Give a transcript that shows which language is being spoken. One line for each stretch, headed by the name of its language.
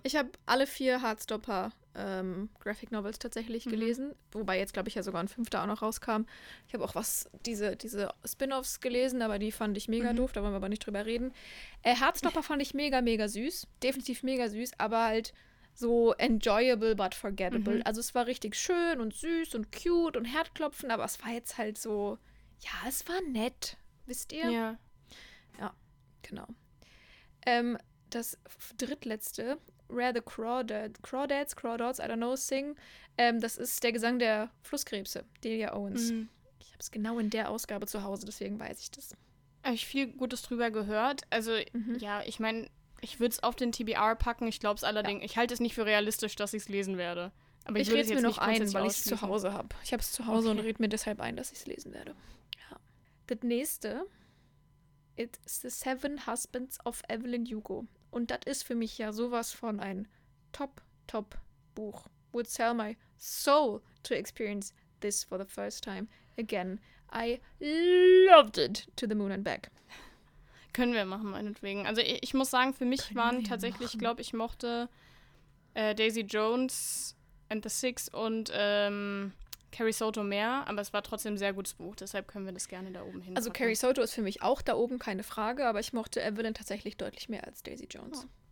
German: Ich habe alle 4 Heartstopper Graphic Novels tatsächlich gelesen. Wobei jetzt, glaube ich, ja sogar ein 5. auch noch rauskam. Ich habe auch diese Spin-Offs gelesen, aber die fand ich mega doof. Da wollen wir aber nicht drüber reden. Heartstopper fand ich mega, mega süß. Definitiv mega süß, aber halt...
English: So enjoyable but forgettable.
German: Also es war richtig schön und süß und cute und Herzklopfen, aber es war jetzt halt so, ja, es war nett, wisst ihr? Ja. Ja, genau. Das drittletzte, Where the Crawdads,
English: I don't know,
German: sing. Das ist der Gesang der Flusskrebse, Delia Owens. Mhm. Ich habe es genau in der Ausgabe zu Hause, deswegen weiß ich das. Habe ich viel Gutes drüber gehört. Also ja, ich meine... Ich würde es auf den TBR packen, ich glaube es allerdings, ich halte es nicht für realistisch, dass ich es lesen werde. Aber ich rede es mir noch ein, weil ich es zu Hause habe. Ich habe es zu Hause und rede mir deshalb ein, dass ich es lesen werde. Ja. Das nächste, It's the 7 Husbands of Evelyn Hugo. Und das ist für mich ja sowas von ein Top-Top-Buch.
English: Would sell my soul to experience this for the first time again. I loved it to the moon and back.
German: Können wir machen, meinetwegen. Also ich muss sagen, für mich waren tatsächlich, glaube ich, mochte Daisy Jones and the Six und Carrie Soto mehr, aber es war trotzdem ein sehr gutes Buch, deshalb können wir das gerne da oben hin. Also Carrie Soto ist für mich auch da oben, keine Frage, aber ich mochte Evelyn tatsächlich deutlich mehr als Daisy Jones.